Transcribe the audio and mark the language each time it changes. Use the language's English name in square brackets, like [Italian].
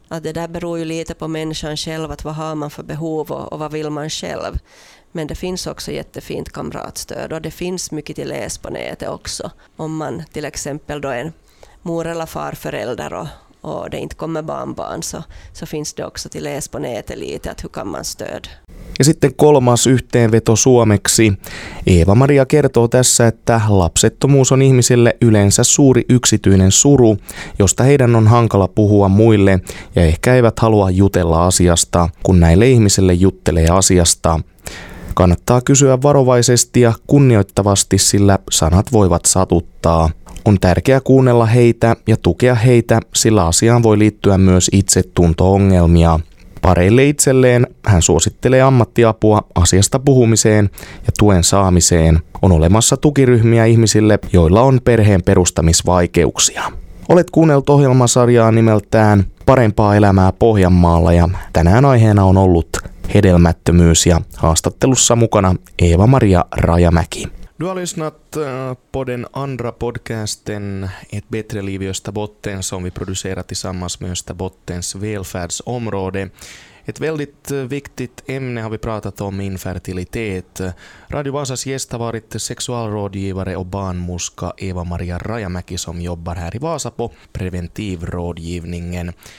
[Swedish] Att det där beror ju lite på människan själv, att vad har man för behov och vad vill man själv. Men det finns också jättefint kamratstöd och det finns mycket till läs på nätet också. Om man till exempel då är en mor eller farförälder och det inte kommer barnbarn så finns det också till läs på nätet lite att hur kan man stöd. [Finnish] Ja sitten kolmas yhteenveto suomeksi. Eeva-Maria kertoo tässä, että lapsettomuus on ihmisille yleensä suuri yksityinen suru, josta heidän on hankala puhua muille ja ehkä eivät halua jutella asiasta, kun näille ihmisille juttelee asiasta. Kannattaa kysyä varovaisesti ja kunnioittavasti, sillä sanat voivat satuttaa. On tärkeää kuunnella heitä ja tukea heitä, sillä asiaan voi liittyä myös itsetunto-ongelmia. Pareille itselleen hän suosittelee ammattiapua asiasta puhumiseen ja tuen saamiseen. On olemassa tukiryhmiä ihmisille, joilla on perheen perustamisvaikeuksia. Olet kuunnellut ohjelmasarjaa nimeltään Parempaa elämää Pohjanmaalla ja tänään aiheena on ollut hedelmättömyys ja haastattelussa mukana Eeva-Maria Rajamäki. [Swedish] Du har lyssnat på den andra podcasten Ett bättre liv i Österbotten som vi producerar tillsammans med Österbottens välfärdsområde. Ett väldigt viktigt ämne har vi pratat om, infertilitet. Radio Vasas gäst har varit sexualrådgivare och barnmorska Eeva-Maria Rajamäki som jobbar här i Vasa på preventivrådgivningen.